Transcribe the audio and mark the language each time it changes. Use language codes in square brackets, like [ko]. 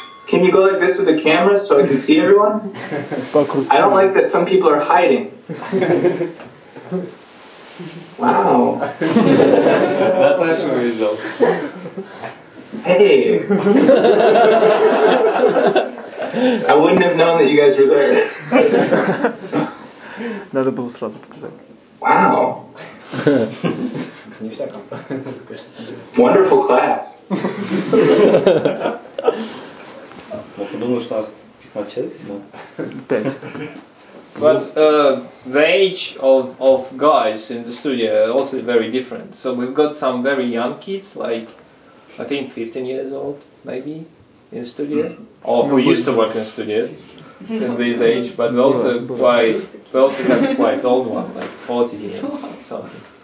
[en] Can you go like this with the camera so I can see everyone? I don't like that some people are hiding. Wow. That's a visual. Hey. I wouldn't have known that you guys were there. [ru] Надо было сразу показать. Вау! Не всяком. [en] Wonderful class. [ru] Подумал, что у нас 15 человек всего. 5. [en] But the age of guys in the studio are also very different. So we've got some very young kids, like I think 15 years old, maybe, in studio. Mm-hmm. Or who used to work in studio. In this age, but we also have a quite old one, like 40 years or something.